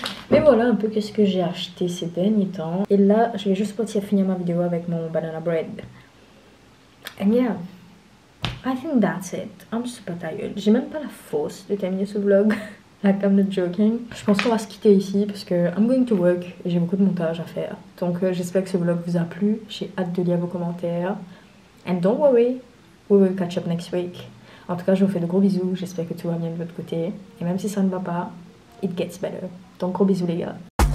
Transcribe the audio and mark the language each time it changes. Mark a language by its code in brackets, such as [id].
[fr] Mais voilà un peu ce que j'ai acheté ces derniers temps. Et là je vais juste partir finir ma vidéo avec mon banana bread. [en] And yeah. I think that's it. I'm super tired. [fr] J'ai même pas la force de terminer ce vlog. [en] Like, I'm not joking. [fr] Je pense qu'on va se quitter ici parce que [en] I'm going to work [fr] et j'ai beaucoup de montage à faire. Donc, j'espère que ce vlog vous a plu. J'ai hâte de lire vos commentaires. [en] And don't worry, we will catch up next week. [fr] En tout cas, je vous fais de gros bisous. J'espère que tout va bien de votre côté. Et même si ça ne va pas, [en] it gets better. [fr] Donc, gros bisous les gars.